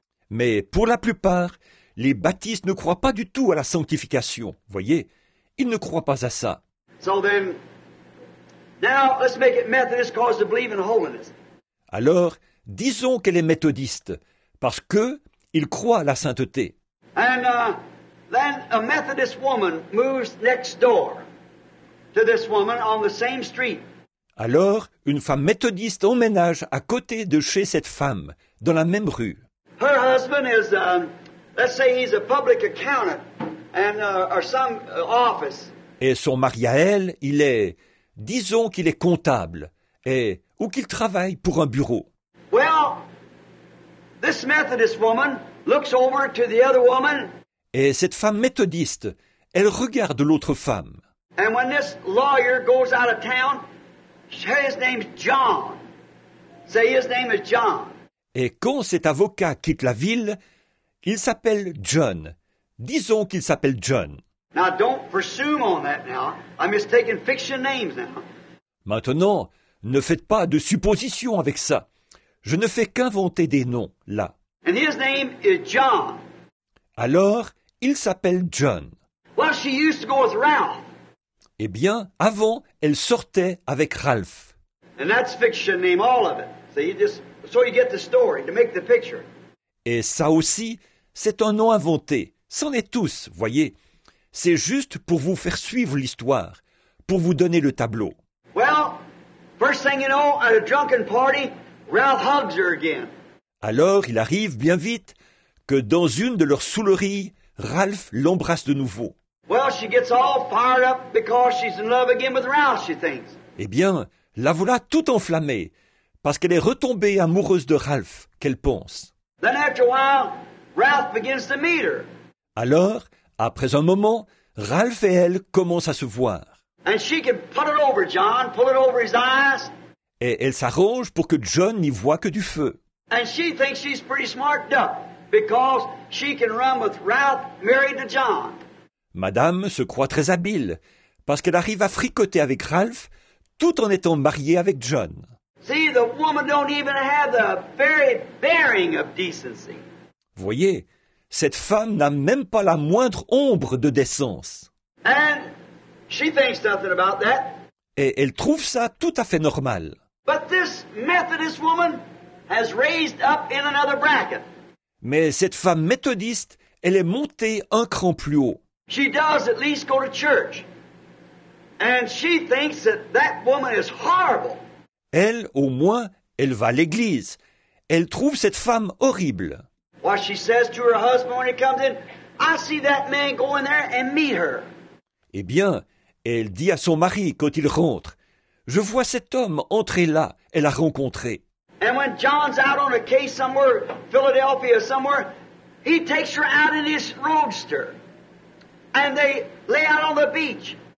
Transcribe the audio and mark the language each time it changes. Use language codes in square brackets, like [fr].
[fr] Mais pour la plupart, les baptistes ne croient pas du tout à la sanctification, voyez, ils ne croient pas à ça. [en] So then, now let's make it Methodist cause to believe in holiness. [fr] Alors, disons qu'elle est méthodiste, parce qu'il croit à la sainteté. [en] And, then a Methodist woman moves next door to this woman on the same street. [fr] Alors, une femme méthodiste emménage à côté de chez cette femme, dans la même rue. [en] Her husband is, let's say he's a public accountant and, or some office. [fr] Et son mari à elle, il est, disons qu'il est comptable, et, ou qu'il travaille pour un bureau. [en] Well, this Methodist woman looks over to the other woman. [fr] Et cette femme méthodiste, elle regarde l'autre femme. [en] And when this lawyer goes out of town, his name's John. Say his name is John. [fr] Et quand cet avocat quitte la ville, il s'appelle John. Disons qu'il s'appelle John. [en] Now don't presume on that now. I'm just taking fiction names now. [fr] Maintenant, Ne faites pas de suppositions avec ça. Je ne fais qu'inventer des noms, là. [en] And his name is John. [fr] Alors, il s'appelle John. [en] Well, she used to go with Ralph. [fr] Eh bien, avant, elle sortait avec Ralph. [en] And that's fiction name, all of it. So you get the story, to make the picture. [fr] Et ça aussi, c'est un nom inventé. C'en est tous, voyez. C'est juste pour vous faire suivre l'histoire, pour vous donner le tableau. [en] Well, first thing you know, at a drunken party, Ralph hugs her again. [fr] Alors, il arrive bien vite que dans une de leurs souleries, Ralph l'embrasse de nouveau. [en] Well, she gets all fired up because she's in love again with Ralph, she thinks. [fr] Eh bien, la voilà toute enflammée parce qu'elle est retombée amoureuse de Ralph, qu'elle pense. [en] Then after a while, Ralph begins to meet her. [fr] Alors, après un moment, Ralph et elle commencent à se voir. [en] And she can put it over John, pull it over his eyes. [fr] Et elle s'arrange pour que John n'y voie que du feu. [en] And she thinks she's pretty smarted up because she can run with Ralph married to John. [fr] Madame se croit très habile parce qu'elle arrive à fricoter avec Ralph tout en étant mariée avec John. [en] See, the woman don't even have the very bearing of decency. [fr] Voyez, cette femme n'a même pas la moindre ombre de décence. [en] And she thinks nothing about that. [fr] Et elle trouve ça tout à fait normal. [en] But this Methodist woman has raised up in another bracket. [fr] Mais cette femme méthodiste, elle est montée un cran plus haut. [en] She does at least go to church. And she thinks that that woman is horrible. [fr] Elle, au moins, elle va à l'église. Elle trouve cette femme horrible. [en] Well, she says to her husband when he comes in, I see that man go in there and meet her. [fr] Eh bien, elle dit à son mari quand il rentre, je vois cet homme entrer là et la rencontrer. [en] And when John's out on a case somewhere, Philadelphia somewhere, he takes her out in his roadster. And they lay out on the beach.